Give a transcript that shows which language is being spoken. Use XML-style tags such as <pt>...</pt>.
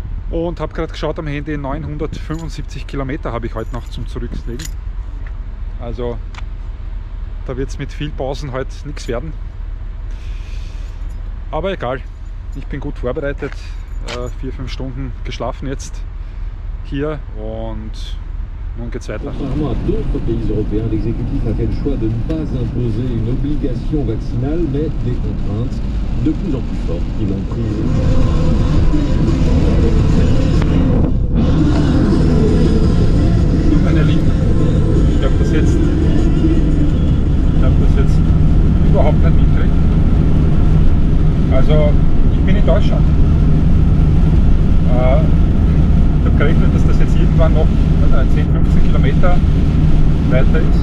<de>Und habe gerade geschaut am Handy, 975 Kilometer habe ich heute noch zum Zurücklegen. Also da wird es mit viel Pausen heute nichts werden. Aber egal, ich bin gut vorbereitet, 4-5 Stunden geschlafen jetzt hier und nun geht's weiter.</de> <fr>Contrairement à d'autres pays européens, l'exécutif a fait le choix de ne pas imposer une obligation vaccinale, mais des contraintes de plus en plus fortes qui vont prises.</fr> <de>Meine Lieben, ich habe das jetzt überhaupt nicht mitgekriegt. Also, ich bin in Deutschland. Ich habe gerechnet, dass das jetzt irgendwann noch 10, 15 Kilometer weiter ist.</de>